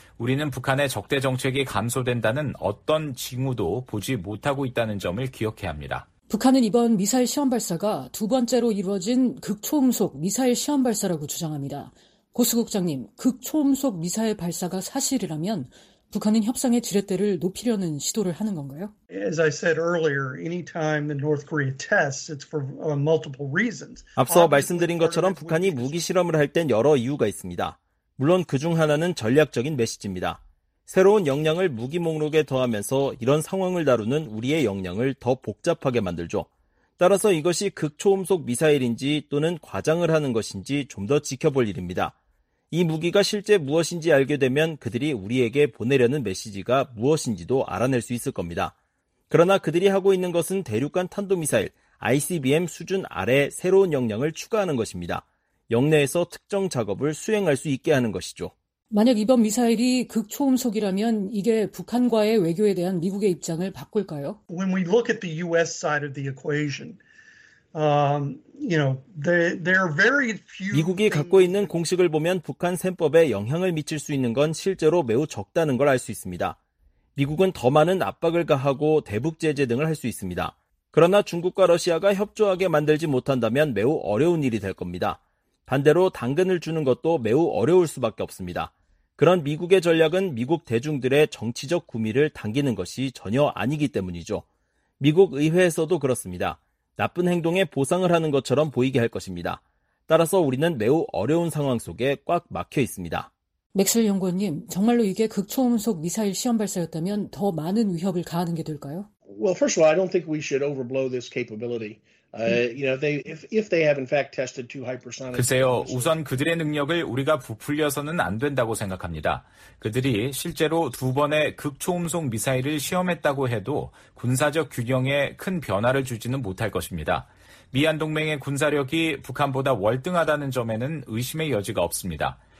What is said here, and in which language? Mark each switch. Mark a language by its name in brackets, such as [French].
[Korean] 우리는 북한의 적대 정책이 감소된다는 어떤 징후도 보지 못하고 있다는 점을 기억해야 합니다. 북한은 이번 미사일 시험 발사가 두 번째로 이루어진 극초음속 미사일 시험 발사라고 주장합니다. 고수 국장님, 극초음속 미사일 발사가 사실이라면 북한은 협상의 지렛대를 높이려는 시도를 하는 건가요? [English] As I said earlier, anytime the North Korea tests, it's for multiple reasons. [Korean] 앞서 말씀드린 것처럼 북한이 무기 실험을 할 땐 여러 이유가 있습니다. 물론 그중 하나는 전략적인 메시지입니다. 새로운 역량을 무기 목록에 더하면서 이런 상황을 다루는 우리의 역량을 더 복잡하게 만들죠. 따라서 이것이 극초음속 미사일인지 또는 과장을 하는 것인지 좀 더 지켜볼 일입니다. 이 무기가 실제 무엇인지 알게 되면 그들이 우리에게 보내려는 메시지가 무엇인지도 알아낼 수 있을 겁니다. 그러나 그들이 하고 있는 것은 대륙간 탄도미사일 ICBM 수준 아래 새로운 역량을 추가하는 것입니다. 영내에서 특정 작업을 수행할 수 있게 하는 것이죠. 만약 이번 미사일이 극초음속이라면 이게 북한과의 외교에 대한 미국의 입장을 바꿀까요? [English] When we look at the US side of the equation, you know, there are very few. [Korean] 미국이 갖고 있는 공식을 보면 북한 셈법에 영향을 미칠 수 있는 건 실제로 매우 적다는 걸 알 수 있습니다. 미국은 더 많은 압박을 가하고 대북 제재 등을 할 수 있습니다. 그러나 중국과 러시아가 협조하게 만들지 못한다면 매우 어려운 일이 될 겁니다. 반대로 당근을 주는 것도 매우 어려울 수밖에 없습니다. 그런 미국의 전략은 미국 대중들의 정치적 구미를 당기는 것이 전혀 아니기 때문이죠. 미국 의회에서도 그렇습니다. 나쁜 행동에 보상을 하는 것처럼 보이게 할 것입니다. 따라서 우리는 매우 어려운 상황 속에 꽉 막혀 있습니다. 맥셀 연구원님, 정말로 이게 극초음속 미사일 시험 발사였다면 더 많은 위협을 가하는 게 될까요? [English] Well, first of all, I don't think we should overblow this capability. You know, if they have in fact tested two hypersonic. [Korean] 글쎄요, 우선 그들의 능력을 우리가 부풀려서는 안 된다고 생각합니다. 그들이 실제로 두 번의 극초음속 미사일을 시험했다고 해도 군사적 균형에 큰 변화를 주지는 못할 것입니다. 미한 동맹의 군사력이 북한보다 월등하다는 점에는 의심의 여지가 없습니다.